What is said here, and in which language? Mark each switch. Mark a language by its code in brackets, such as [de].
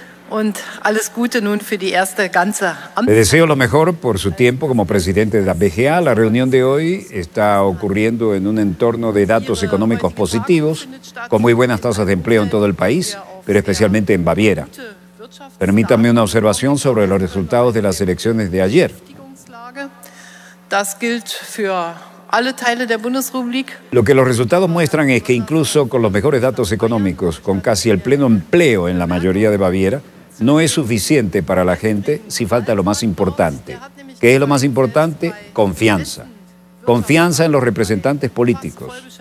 [de] Und alles Gute nun für die erste ganze Amtszeit. [es] Le deseo lo mejor por su tiempo como presidente de la BGA. La reunión de hoy está ocurriendo en un entorno de datos económicos positivos, con muy buenas tasas de empleo en todo el país, pero especialmente en Baviera. Permítanme una observación sobre los resultados de las elecciones de ayer. [de] Das gilt für alle Teile der Bundesrepublik. [es] Lo que los resultados muestran es que incluso con los mejores datos económicos, con casi el pleno empleo en la mayoría de Baviera, no es suficiente para la gente si falta lo más importante, ¿Qué es lo más importante? Confianza. Confianza en los representantes políticos.